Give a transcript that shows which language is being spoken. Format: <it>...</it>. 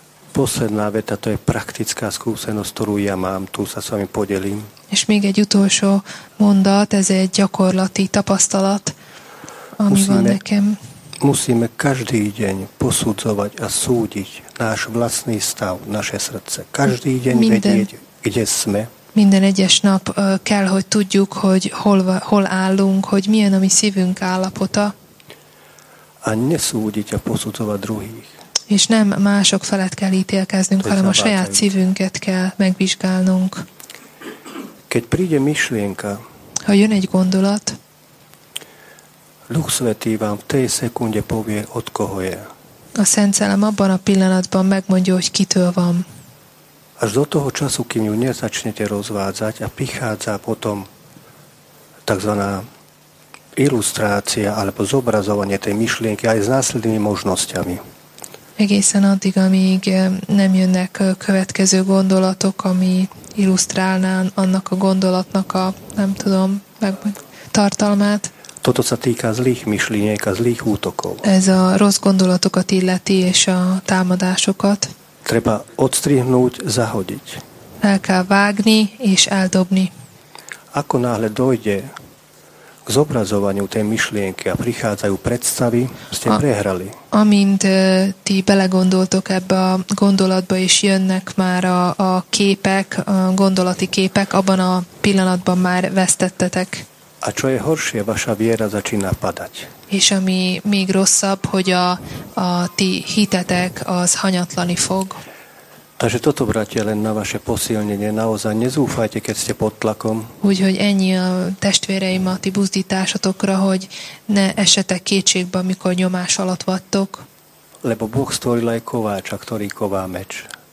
<sk>Posledná veta, to je praktická skúsenosť, ktorú ja mám, tu sa s vami podelím.</sk> <hu>És még egy utolsó mondat, ez egy gyakorlati tapasztalat, ami</hu> <sk>musíme,</sk> <hu>van nekem.</hu> <sk>Musíme každý deň posudzovať a súdiť náš vlastný stav, naše srdce. Každý deň vedieť, kde sme.</sk> <hu>Minden egyes nap kell, hogy tudjuk, hogy hol állunk, hogy milyen a mi szívünk állapota.</hu> <sk>A nesúdiť a posudzovať druhých.</sk> <hu>És nem mások felett kell ítélkeznünk, hanem a saját szívünket kell megvizsgálnunk.</hu> <sk>Keď príde myšlienka,</sk> <hu>ha jön egy gondolat,</hu> <sk>Duch Svätý vám v tej sekunde povie, od koho je.</sk> <hu>A Szent Szellem abban a pillanatban megmondja, hogy kitől van.</hu> <sk>Až do toho času, kým ju nezačnete rozvádzať a prichádza potom takzvaná ilustrácia alebo zobrazovanie tej myšlienky aj s následnými možnosťami.</sk> <hu>Egészen addig, amíg nem jönnek következő gondolatok, ami illusztrálnán annak a gondolatnak a, nem tudom, tartalmát.</hu> <sk>Toto sa týka zlých myšlienek a zlých útokov.</sk> <hu>Ez a rossz gondolatokat illeti és a támadásokat.</hu> <sk>Treba odstrihnúť, zahodiť.</sk> <hu>El kell vágni és eldobni.</hu> <sk>Ako náhle dojde zobrazovaniu tej myšlienky a prichádzajú predstavy, ste prehrali.</sk> <hu>Amint ti belegondoltok ebbe a gondolatba, és jönnek már a képek, a gondolati képek, abban a pillanatban már vesztettetek.</hu> <sk>A čo je horšie, vaša viera začína padať.</sk> <hu>És ami még rosszabb, hogy a ti hitetek az hanyatlani fog.</hu> <sk>Takže toto, bratia, len na vaše posilnenie. Naozaj nezúfajte, keď ste pod tlakom.</sk> <hu>Úgyhogy ennyi a testvéreim a ti buzdításatokra, hogy ne esetek kétségbe, amikor nyomás alatt vattok.</hu> <sk>Lebo Boh stvoril aj kováča, ktorý ková meč.</sk>